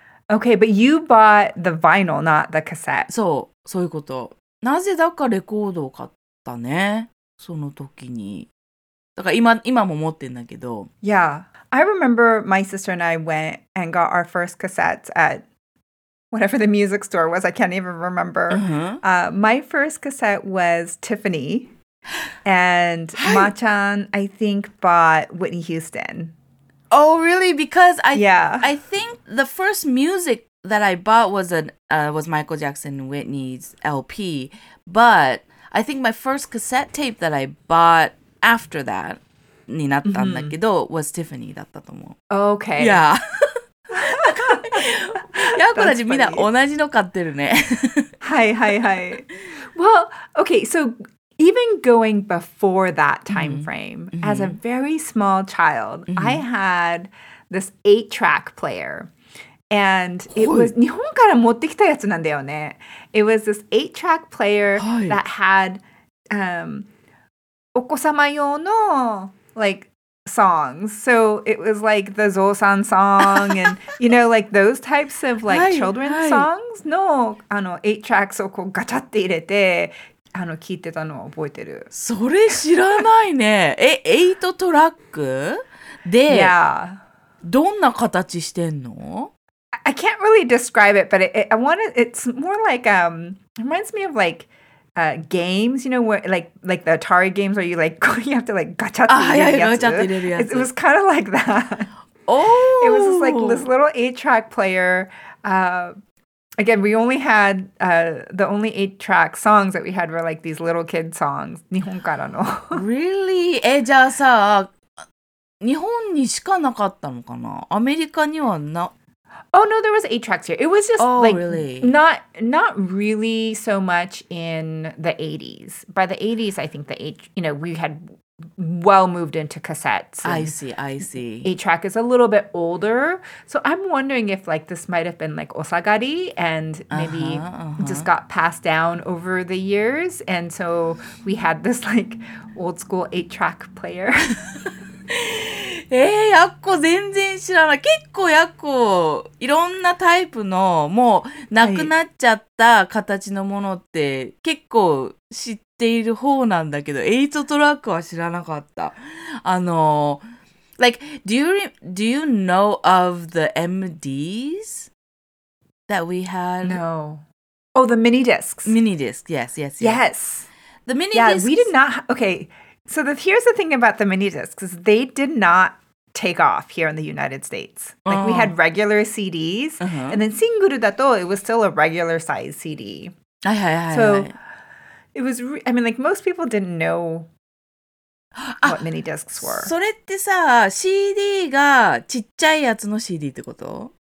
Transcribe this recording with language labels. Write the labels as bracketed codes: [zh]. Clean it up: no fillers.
[en] Okay, but you bought the vinyl, not the cassette. [ja] そう、そういうこと。なぜだかレコードを買ったね、その時に。だから今も持ってんだけど。 [en] Yeah, I remember my sister and I went and got our first cassettes at... whatever the music store was, I can't even remember. My first cassette was Tiffany. And Ma-chan, I think, bought Whitney Houston. Oh, really? Because I think the first music that I bought was Michael Jackson and Whitney's LP. But I think my first cassette tape that I bought after that [ja] になったんだけど [en] was Tiffany [ja] だったと思う。 [en] Okay. Yeah. [ja] ヤコたちみんな同じの買ってるね。はいはいはい。 [en] Well, okay, so even going before that time frame, as a very small child, I had this 8-track player. And it was [ja] 日本から持ってきたやつなんだよね。 [en] It was this 8-track player that had [ja] お子様用の [en] like,songs. So it was like the Zosan song and you know like those types of like children's songs [ja] のあの8 tracks をこうガチャって入れてあの聞いてたのを覚えてる。それ知らないね。え、8トラックで、どんな形してんの？ [en] I can't really describe it, but it's more like reminds me of likegames, you know, where like the Atari games where you like you have to like gacha it was kind of like that. Oh, it was just like this little 8-track player. Again, we only had the only 8-track songs that we had were like these little kid songs. [ja] 日本からの [en] really? [ja] え、じゃあさ、日本にしかなかったのかな？アメリカにはな。 [en] Oh, no, there was 8-tracks here. It was just, not really so much in the 80s. By the 80s, I think we had well moved into cassettes. I see. 8-track is a little bit older. So I'm wondering if, like, this might have been, like, osagari and maybe just got passed down over the years. And so we had this, like, old-school 8-track player. [ja] やっこ全然知らない。結構やっこいろんなタイプのもうなくなっちゃった形のものって結構知っている方なんだけど、8トラックは知らなかった。 [en] あの、like, do you know of the MDs that we had? No. Oh, the mini discs. Mini discs, yes, yes, yes. Yes. The mini discs. Yeah, we did not, okay. So here's the thing about the mini discs, is they did not take off here in the United States. Like, we had regular CDs. Uh-huh. And then single [ja] だと [en] it was still a regular size CD. So it was, I mean, like, most people didn't know what mini discs were. [ja] それってさ、CD がちっちゃいやつの CD ってこと？